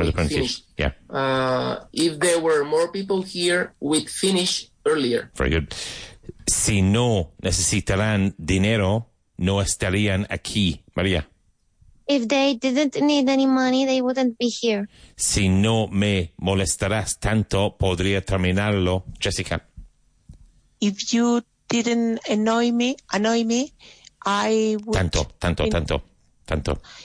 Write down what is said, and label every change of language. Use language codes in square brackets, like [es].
[en] we'd the pronunciation. Finish. Yeah. If there were more people here, we'd finish earlier. Very good. [es] Si no necesitaran dinero, no estarían aquí, María. [en] If they didn't need any money, they wouldn't be here. [es] Si no me molestaras tanto, podría terminarlo, Jessica. [en] If you didn't annoy me, I would... [es] Tanto.